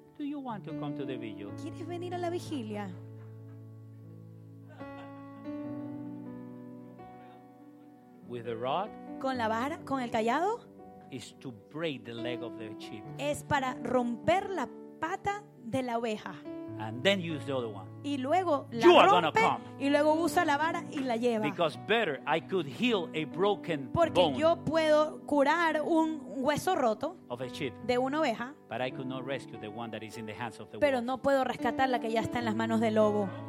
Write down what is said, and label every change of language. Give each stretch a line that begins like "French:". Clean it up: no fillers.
English: Do you want to come to the vigil?
Spanish: ¿Quieres venir a la vigilia?
English: With the rod?
Spanish: ¿Con la vara? ¿Con el callado?
English: Is to break the leg of the sheep.
Spanish: Es para romper la pata de la oveja.
English: And then use the other one.
Spanish: Y luego la
English: you
Spanish: rompe,
English: are gonna come.
Spanish: Y luego usa la vara y la lleva.
English: Because better, I could heal a broken
Spanish: Porque
English: bone
Spanish: yo puedo curar un hueso roto
English: of a sheep,
Spanish: de una oveja.
English: But I could not rescue the one that is in the hands of the
Spanish: Pero
English: wolf.
Spanish: No puedo rescatar la que ya está en las manos del lobo.